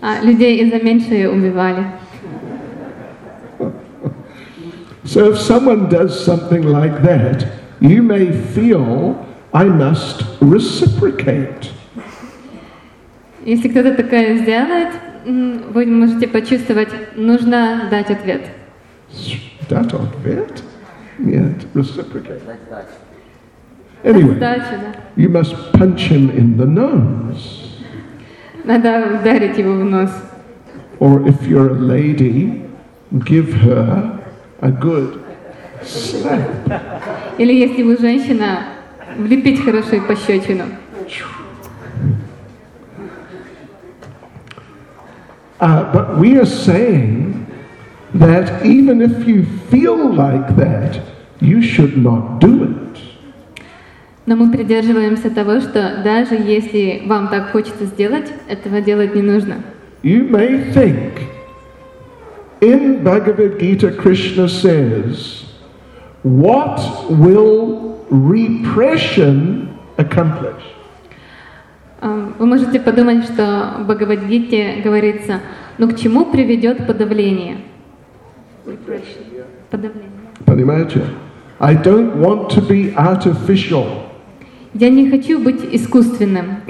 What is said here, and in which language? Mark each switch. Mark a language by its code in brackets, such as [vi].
[ru] Людей из-за меньшего убивали. [en] So if someone does something like that, you may feel I must reciprocate. [ru] Если кто-то такое сделает, вы можете почувствовать, нужно дать ответ. Дать ответ? Нет, reciprocate. [en] Anyway, you must punch him in the nose. [ru] Надо ударить его в нос. [en] Or if you're a lady, give her a good slap. [ru] Или если вы женщина, влепить хорошую пощечину. [en] But we are saying that even if you feel like that, you should not do it. [ru] Но мы придерживаемся того, что даже если вам так хочется сделать, этого делать не нужно. [en] You may think, in Bhagavad Gita, Krishna says, what will repression accomplish? [ru] Вы можете подумать, что в Бхагавад-гите говорится, но к чему приведет подавление? Подавление. Понимаете? [en] I don't want to be artificial. [ru] Я не хочу быть искусственным.